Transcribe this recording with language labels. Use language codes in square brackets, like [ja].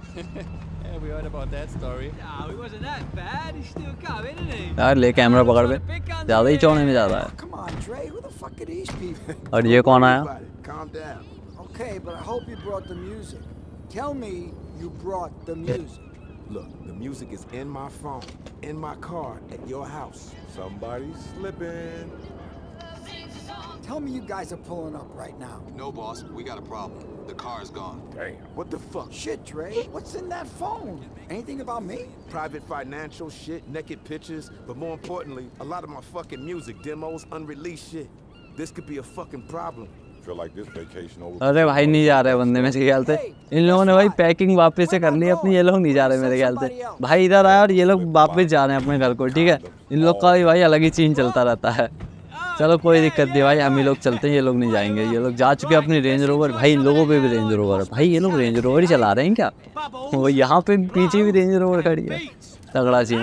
[en] Yeah, we heard about that story. No, it wasn't that bad. He's still coming, isn't he? [hi] यार ले camera पकड़ बे, ज़्यादा ही चौने में जा रहा है। [en] Come on, Dre, who the fuck are these people? [hi] और ये कौन आया? [en] Calm down. Okay, but I hope you brought the music. Tell me you brought the music. Look, the music is in my phone, in my car, at your house. Somebody's slipping. Tell me you guys are pulling up right now. No, boss, we got a problem. The car is gone. Damn. What the fuck? Shit, Dre. What's in that phone? Anything about me? Private financial shit, naked pictures, but more importantly, a lot of my fucking music, demos, unreleased shit. This could be a fucking problem. [hi] अरे भाई नहीं जा रहे बंदे, मेरे ख्याल से इन लोगों ने भाई पैकिंग वापस से कर ली अपनी, ये लोग नहीं जा रहे मेरे ख्याल से, भाई इधर आया और ये लोग वापस जा रहे हैं अपने घर को, ठीक है, इन लोग का भाई अलग ही सीन चलता रहता है। चलो कोई दिक्कत नहीं भाई, हम ही लोग चलते हैं, ये लोग नहीं जाएंगे, ये लोग जा चुके अपनी रेंज रोवर, भाई इन लोगों पे भी रेंज रोवर है भाई, ये लोग रेंज रोवर ही चला रहे हैं क्या, वो यहाँ पे पीछे भी रेंज रोवर खड़ी है, तगड़ा सीन।